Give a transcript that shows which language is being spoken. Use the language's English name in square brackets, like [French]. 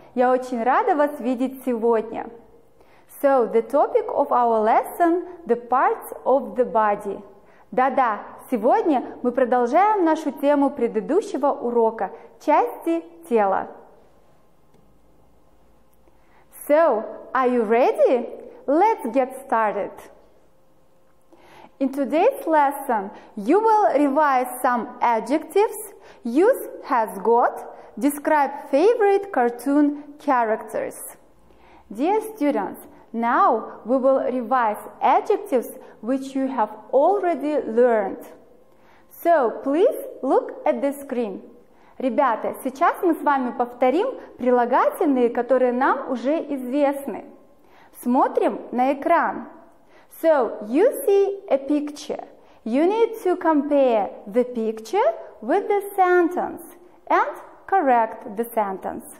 [Russian] Я очень рада вас видеть сегодня. [English] So, the topic of our lesson – the parts of the body. [Russian] Да-да, сегодня мы продолжаем нашу тему предыдущего урока – части тела. [English] So, are you ready? Let's get started. In today's lesson, you will revise some adjectives, use has got, describe favorite cartoon characters. Dear students, now we will revise adjectives which you have already learned. So, please look at the screen. [Russian] Ребята, сейчас мы с вами повторим прилагательные, которые нам уже известны. Смотрим на экран. [English] So, you see a picture. You need to compare the picture with the sentence and correct the sentence.